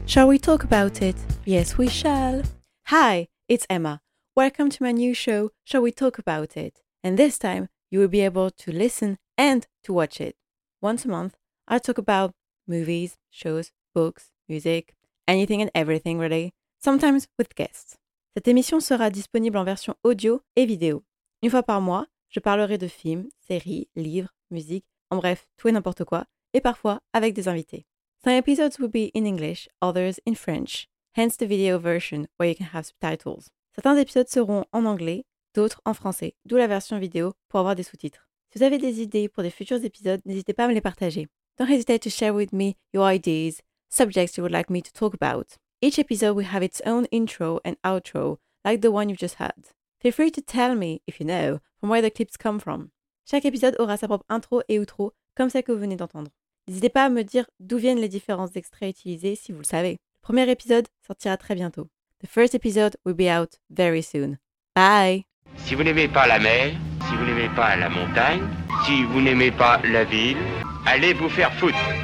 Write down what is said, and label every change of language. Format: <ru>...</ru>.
<en>Shall we talk about it? Yes, we shall. Hi, it's Emma. Welcome to my new show, Shall We Talk About It? And this time, you will be able to listen and to watch it. Once a month, I'll talk about movies, shows, books, music, anything and everything, really. Sometimes with guests.</en> <fr>Cette émission sera disponible en version audio et vidéo. Une fois par mois, je parlerai de films, séries, livres, musique, en bref, tout et n'importe quoi, et parfois avec des invités.</fr> <en>Some episodes will be in English, others in French, hence the video version where you can have subtitles.</en> <fr>Certains épisodes seront en anglais, d'autres en français, d'où la version vidéo pour avoir des sous-titres. Si vous avez des idées pour des futurs épisodes, n'hésitez pas à me les partager.</fr> <en>Don't hesitate to share with me your ideas, subjects you would like me to talk about. Each episode will have its own intro and outro, like the one you've just had. Feel free to tell me, if you know, from where the clips come from.</en> <fr>Chaque épisode aura sa propre intro et outro, comme celle que vous venez d'entendre. N'hésitez pas à me dire d'où viennent les différents extraits utilisés si vous le savez. Le premier épisode sortira très bientôt.</fr> <en>The first episode will be out very soon. Bye!</en> <fr>Si vous n'aimez pas la mer, si vous n'aimez pas la montagne, si vous n'aimez pas la ville, allez vous faire foutre!</fr>